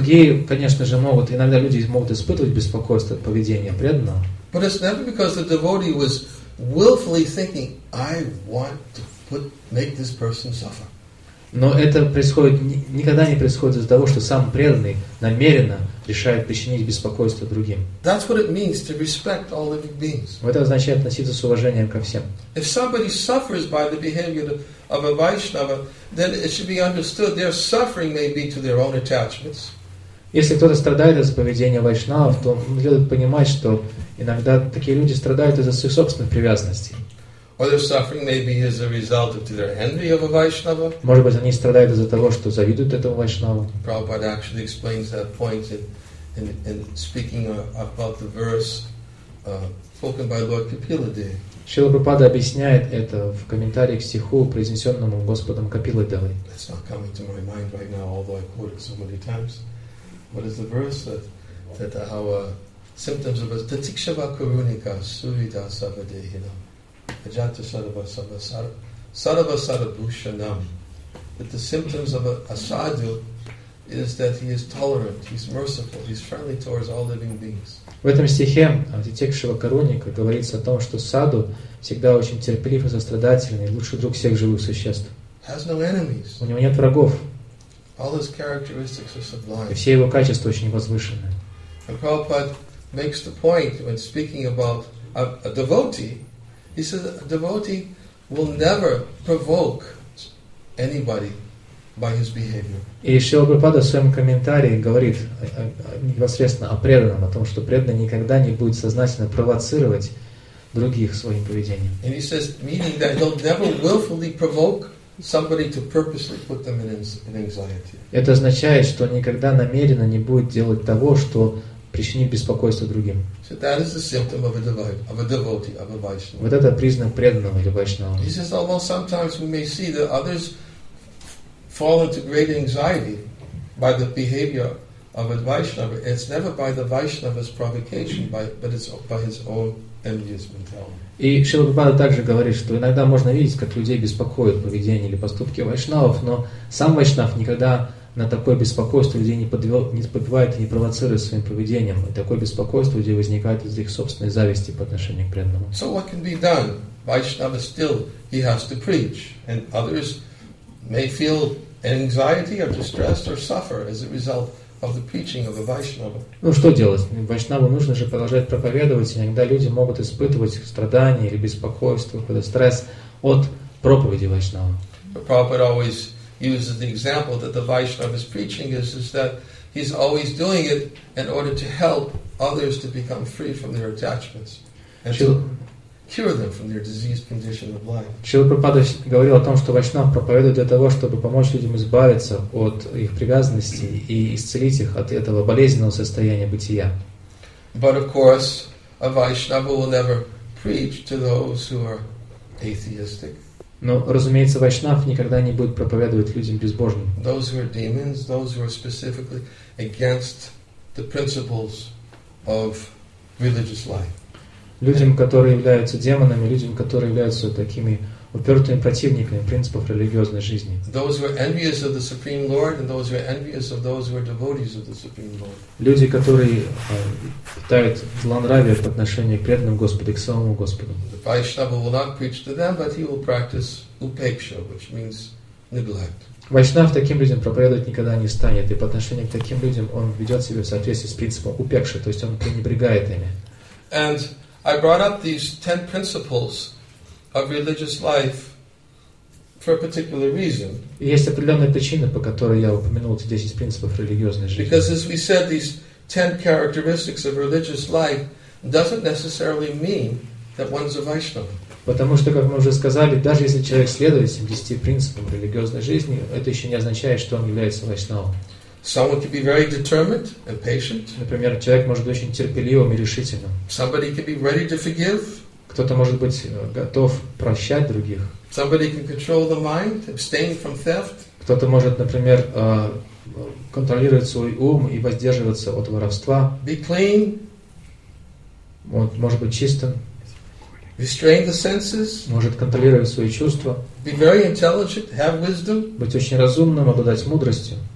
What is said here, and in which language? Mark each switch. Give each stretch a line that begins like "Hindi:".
Russian: Другие, конечно же, могут, иногда люди могут испытывать беспокойство от поведения преданного.
English: But it's never because the devotee was willfully thinking, I want to make this person suffer.
Russian: Но это происходит, никогда не происходит из-за того, что сам преданный намеренно решает причинить беспокойство другим.
English: That's what it means to respect all living beings.
Russian: Это означает относиться с уважением ко всем.
English: If somebody suffers by the behavior of a Vaishnava, then it should be understood their suffering may be to their own attachments.
Russian: Если кто-то страдает из-за поведения вайшнавов, то следует понимать, что иногда такие люди страдают из-за своих собственных привязанностей.
English: Or their suffering may be as a result of their envy of a Vaishnava.
Russian: Может быть, они страдают из-за того, что завидуют этому Вайшнаву.
English: Prabhupada actually explains that point in speaking about the verse spoken by Lord Kapiladeva.
Russian: Шрила Прабхупада объясняет это в комментарии к стиху, произнесенному Господом Капиладевой.
English: It's not coming to my mind right now, although I quote it so many times. What is the verse that symptoms of a
Sanskrit: tatikshava kurunika suvida savadehina? Ajanta sarva bhushanam.
English: That the symptoms of a sadhu is that he is tolerant, he's merciful, he's friendly towards all living beings.
Russian: В этом стихе Атитикшива Каруника говорится о том, что саду всегда очень терпелив и сострадательный, лучший друг всех живых существ.
English: Has no enemies.
Russian: У него нет врагов.
English: All his characteristics are sublime.
Russian: И все его качества очень возвышенные.
English: And Prabhupada makes the point when speaking about a devotee. He says a devotee will never provoke anybody by his behavior.
Russian: И Шрила Прабхупада в своем комментарии говорит непосредственно о преданном, о том, что преданный никогда не будет сознательно провоцировать других своим поведением.
English: And he says, meaning that he'll never willfully provoke somebody to purposely put them in anxiety.
Russian: Это означает, что он никогда намеренно не будет делать того, что причинит беспокойство другим.
English: So that is the symptom of a devotee, of a Vaishnava.
Russian: Вот это признак преданного или Вайшнава.
English: He says, although sometimes we may see that others fall into great anxiety by the behavior of a Vaishnava, it's never by the Vaishnava's provocation, but it's by his own envious mentality.
Russian: И Шрила Прабхупада также говорит, что иногда можно видеть, как людей беспокоит поведение или поступки Вайшнавов, но сам Вайшнав никогда на такое беспокойство людей не подбивает и не провоцирует своим поведением. И такое беспокойство людей возникает из их собственной зависти по отношению к преданному.
English: So what can be done? Vaishnava still, he has to preach. And others may feel anxiety or distress or suffer as a result of the preaching of a Vaishnava.
Russian: Ну что делать? Вайшнаву нужно же продолжать проповедовать. Иногда люди могут испытывать страдания или беспокойство, какой-то стресс от проповеди Вайшнава.
English: Prabhupada always uses the example that the Vaishnava is preaching is that he's always doing it in order to help others to become free from their attachments and to cure them from their diseased condition of life.
Russian: Шрила Прабхупада говорил о том, что Вайшнав проповедует для того, чтобы помочь людям избавиться от их привязанности и исцелить их от этого болезненного состояния бытия.
English: But of course, a Vaishnava will never preach to those who are atheistic.
Russian: Но, разумеется, Вайшнав никогда не будет проповедовать людям безбожным.
English: Those who are demons, those who are specifically against the principles of religious life.
Russian: Людям, которые являются демонами, людям, которые являются такими упертыми противниками принципов религиозной жизни.
English: Those who are envious of the Supreme Lord and those who are envious of those who are devotees of the Supreme Lord.
Russian: Люди, которые питают злонравие по отношению к преданным Господу, к самому Господу.
English: The Vaishnava will not preach to them, but he will practice upeksha, which means neglect.
Russian: Вайшнав таким людям проповедовать никогда не станет, и по отношению к таким людям он ведет себя в соответствии с принципом упекши, то есть он пренебрегает ими.
English: And I brought up these 10 principles of religious life for a particular reason.
Russian: Есть определенная причина, по которой я упомянул эти 10 принципов религиозной жизни.
English: Because as we said, these 10 characteristics of religious life doesn't necessarily mean that one's a Vaishnava.
Russian: Потому что, как мы уже сказали, даже если человек следует этим 10 принципам религиозной жизни, это еще не означает, что он является Вайшнавом.
English: Someone can be very determined and patient.
Russian: Например, человек может быть очень терпеливым и решительным.
English: Somebody can be ready to forgive.
Russian: Кто-то может быть готов прощать других.
English: Somebody can control the mind, abstain from theft.
Russian: Кто-то может, например, контролировать свой ум и воздерживаться от воровства.
English: Be clean.
Russian: Вот, может быть чистым.
English: Restrain the senses.
Russian: Может контролировать свои чувства.
English: Be very intelligent, have wisdom.
Russian: Быть очень разумным, обладать мудростью.